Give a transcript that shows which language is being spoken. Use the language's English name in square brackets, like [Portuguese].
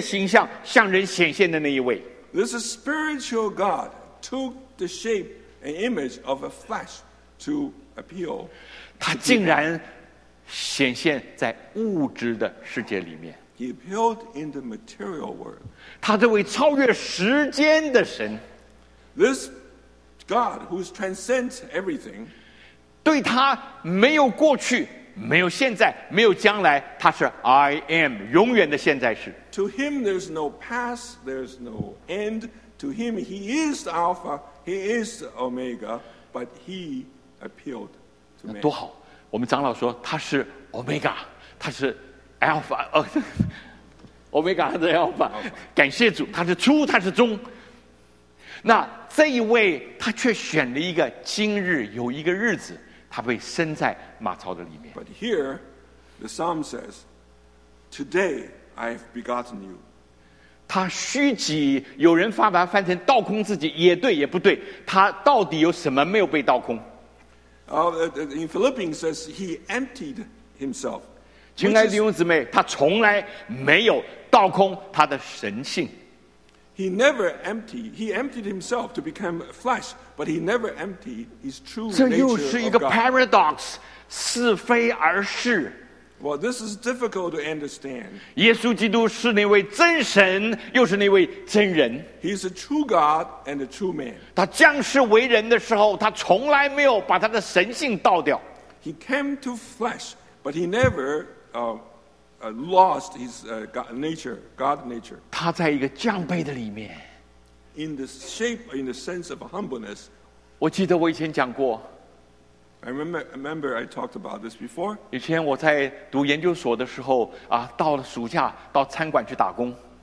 [Chinese] 那位属灵的神偶然向人以他的肉身的形象向人显现的那一位。 [English] This is spiritual God took the shape and image of a flesh to appeal. [Chinese] 他竟然显现在物质的世界里面。 [English] He appealed in the material world. [Chinese] 他这位超越时间的神, [English] this God who transcends everything, [Chinese] 对他没有过去, 没有现在, 没有将来, 他是 [English] I am, [Chinese] 永远的现在是。 [English] To him there's no past, there's no end. To him he is the Alpha, he is the Omega, but he appealed to man. [Chinese] 多好, 我们长老说, 他是 Omega, 他是 Alpha, Omega 和 Alpha, 感谢主, 他是初, 他是终。那这一位, 他却选了一个今日有一个日子, 他被生在马槽的里面。 [English] But here, the psalm says, Today I have begotten you. [Chinese] 他虚己, 有人把他翻成倒空自己, 也对, 也不对, 他到底有什么没有被倒空。 [English] In Philippians says, He emptied himself. [Chinese] 亲爱的弟兄姊妹, 他从来没有倒空他的神性。 [English] He never emptied. He emptied himself to become flesh, but he never emptied his true nature of God. [Chinese] 这又是一个 paradox, 是非而是。 [English] Well, this is difficult to understand. [Chinese] 耶稣基督是那位真神, 又是那位真人。 [English] He is a true God and a true man. [Chinese] 他降世为人的时候, 他从来没有把他的神性倒掉。 [English] He came to flesh, but he never lost his God nature. [Chinese] 他在一个降卑的里面, [English] in the shape, in the sense of humbleness. [Chinese] 我记得我以前讲过, [English] I remember I talked about this before. [Chinese] 以前我在读研究所的时候, 到了暑假, 到餐馆去打工。